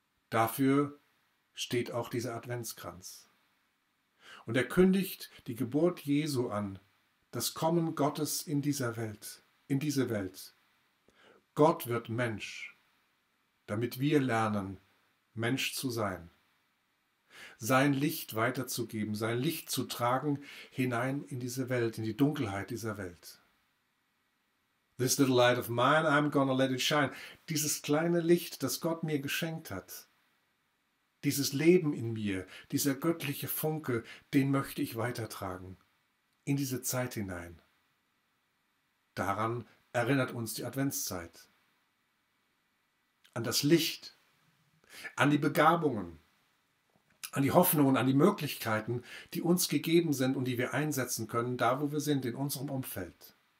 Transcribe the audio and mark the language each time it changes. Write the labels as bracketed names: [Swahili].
[German] Dafür steht auch dieser Adventskranz. Und er kündigt die Geburt Jesu an, das Kommen Gottes in dieser Welt, in diese Welt. Gott wird Mensch, damit wir lernen, Mensch zu sein. Sein Licht weiterzugeben, sein Licht zu tragen hinein in diese Welt, in die Dunkelheit dieser Welt. [English] This little light of mine, I'm gonna let it shine. [German] Dieses kleine Licht, das Gott mir geschenkt hat, dieses Leben in mir, dieser göttliche Funke, den möchte ich weitertragen, in diese Zeit hinein. Daran erinnert uns die Adventszeit. An das Licht, an die Begabungen, an die Hoffnungen, an die Möglichkeiten, die uns gegeben sind und die wir einsetzen können, da wo wir sind, in unserem Umfeld.